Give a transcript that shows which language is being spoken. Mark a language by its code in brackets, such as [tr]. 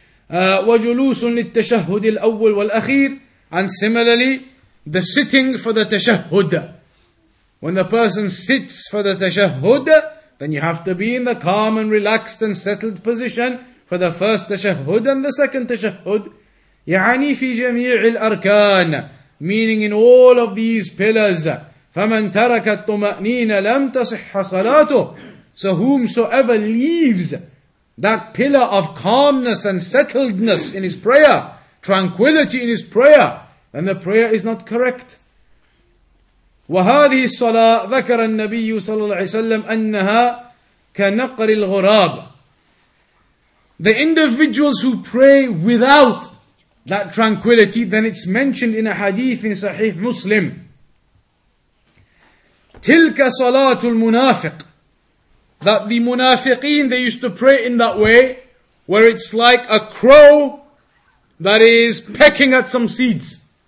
[en] وَجُلُوسٌ لِلْتَشَهُّدِ الْأَوَّلِ وَالْأَخِيرِ. And similarly, the sitting for the tashahhud. When the person sits for the tashahhud, then you have to be in the calm and relaxed and settled position for the first tashahhud and the second tashahhud. يعني في جميع الأركان, meaning in all of these pillars. [ar] فمن ترك الطمأنينة لم تصح صلاته. [en] So whomsoever leaves that pillar of calmness and settledness in his prayer, tranquility in his prayer, then the prayer is not correct. [ar] وهذه الصلاة ذكر النبي صلى الله عليه وسلم أنها كنقر الغراب. [en] The individuals who pray without that tranquility, then it's mentioned in a hadith in Sahih Muslim. [ar] تلك صلاة المنافق. [en] That the munafiqeen, they used to pray in that way, where it's like a crow that is pecking at some seeds.